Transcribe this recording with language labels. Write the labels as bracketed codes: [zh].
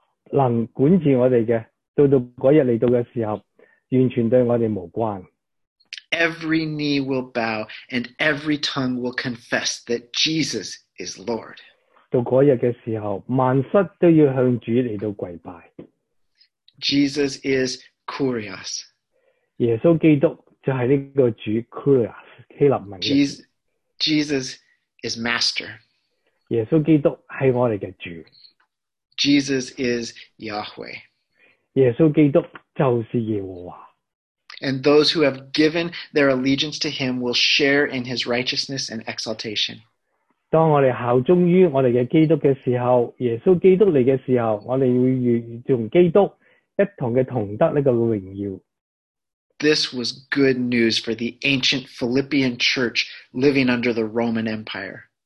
[zh] 今生,这些人对于我们有权能管治我们的, 到那天来到的时候, 完全对我们无关。 [en] Every knee will bow and every tongue will confess that Jesus is Lord. [zh] 到那天的时候, 万室都要向主来到跪拜。 [en] Jesus is Kurios. [zh] 耶稣基督就是这个主, Kurios, 希腊文的。 [en] Jesus is Master. [zh] 耶稣基督是我们的主。 [en] Jesus is Yahweh. [zh] 耶稣基督就是耶和华。 [en] And those who have given their allegiance to him will share in his righteousness and exaltation. [zh] 当我们效忠于我们的基督的时候, 耶稣基督来的时候, 我们会与基督一同的同得这个荣耀。 [en] This was good news for the ancient Philippian church living under the Roman Empire.